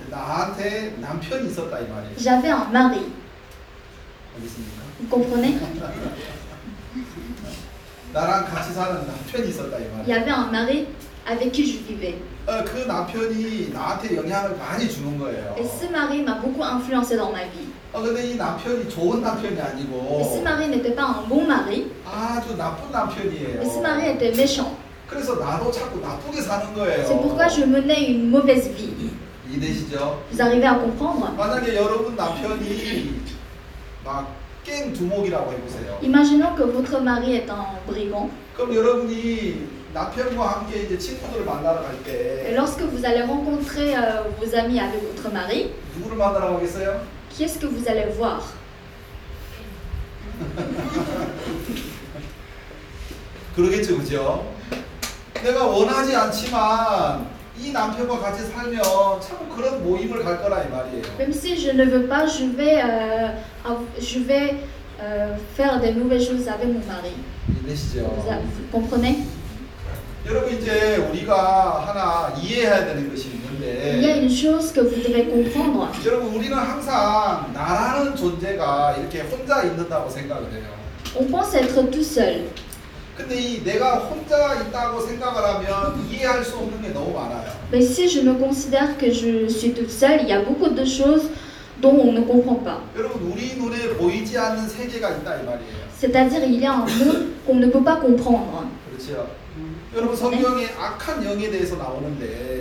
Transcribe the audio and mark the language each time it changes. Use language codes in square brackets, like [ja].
[ko] 나한테 남편이 있었다 이 말이에요. [fr] J'avais un mari. [ko] 알겠습니까? [fr] Vous comprenez? [ko] 나랑 같이 사는 남편이 있었다 이 말이에요. [fr] Il y avait un mari avec qui je vivais. [ko] 그 남편이 나한테 영향을 많이 주는 거예요. [fr] Et ce mari m'a beaucoup influencé dans ma vie. [ko] 근데 이 남편이 좋은 남편이 아니고. [fr] Et ce mari n'était pas un bon mari. [ko] 아주 나쁜 남편이에요. [fr] Et ce mari était méchant. [ko] 그래서 나도 자꾸 나쁘게 사는 거예요. [fr] C'est pourquoi je menais une mauvaise vie. [ko] 이해되시죠? [fr] Vous arrivez à comprendre? [ko] 만약에 여러분 남편이 막 깽 두목이라고 해보세요. [fr] Imaginons que votre mari est un brigand. [ko] 그럼 여러분이 남편과 함께 이제 친구들을 만나러 갈 때. [fr] Et lorsque vous allez rencontrer vos amis avec votre mari. [ko] 누구를 만나러 가겠어요? [fr] Qui est-ce que vous allez voir? [ko] 그러겠죠, 그죠? 내가 원하지 않지만. 이 남편과 같이 살면 참 그런 모임을 갈 거라 이 말이에요. [fr] Même si je ne veux pas, je vais faire des mauvaises choses avec mon mari. [ko] 이해되시죠? [fr] Vous comprenez? [ko] 여러분 이제 우리가 하나 이해해야 되는 것이 있는데. [fr] Il y a une chose que vous devez comprendre. [ko] 여러분 우리는 항상 나라는 존재가 이렇게 혼자 있는다고 생각을 해요. [fr] On pense être tout seul. [ko] 근데 이 내가 혼자 있다고 생각을 하면 이해할 수 없는 게 너무 많아요. [fr] Mais si je me considère que je suis toute seule, il y a beaucoup de choses dont on ne comprend pas. [ko] 여러분 우리 눈에 보이지 않는 세계가 있다 이 말이에요. [fr] C'est-à-dire il y a un monde qu'on ne peut pas comprendre. [ko] 그렇죠. 여러분 성경에 악한 영에 대해서 나오는데.